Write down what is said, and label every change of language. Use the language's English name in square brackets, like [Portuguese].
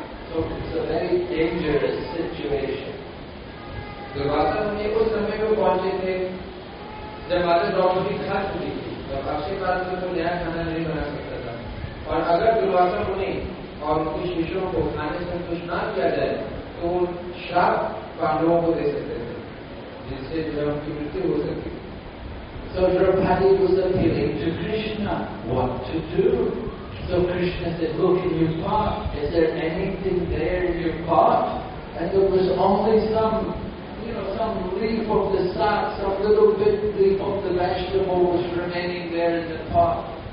[English] So it's a very dangerous situation. [Hindi] Durvasa मुनि उस समय को पहुंचे थे जब माता द्रौपदी खा चुकी थी और अक्षय पात्र को नया खाना नहीं बना सकता था। और अगर दुर्वासा मुनि और उनके शिष्यों को खाने से संतुष्ट ना किया जाए तो श्राप पांडवों को दे सकते थे जिससे जो उनकी मृत्यु हो सकती। [English] So Draupadi was appealing to Krishna, what to do? So Krishna said, look in your pot, is there anything there in your pot? And there was only some leaf of the sap, some little bit leaf of the vegetable was remaining there in the pot.